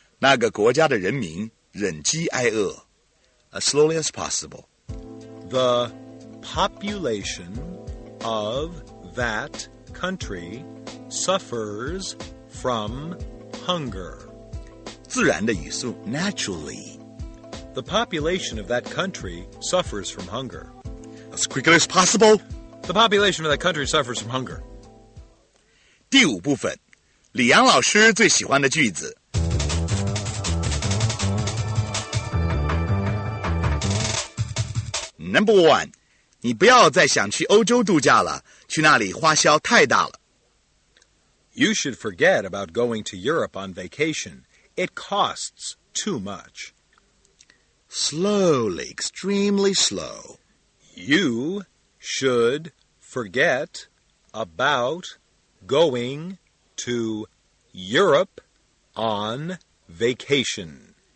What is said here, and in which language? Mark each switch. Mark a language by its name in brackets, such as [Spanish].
[Chinese] 那个国家的人民忍饥挨饿。 [English] As slowly as possible. The population of that country suffers from hunger. [Chinese] 自然的语速 [English] naturally. The population of that country suffers from hunger. As quickly as possible. The population of that country suffers from hunger. [Chinese] 第五部分，李阳老师最喜欢的句子。 [English] number one. [Chinese] 你不要再想去欧洲度假了，去那里花销太大了。 [English] You should forget about going to Europe on vacation. It costs too much. Slowly, extremely slow. You should forget about going to Europe on vacation.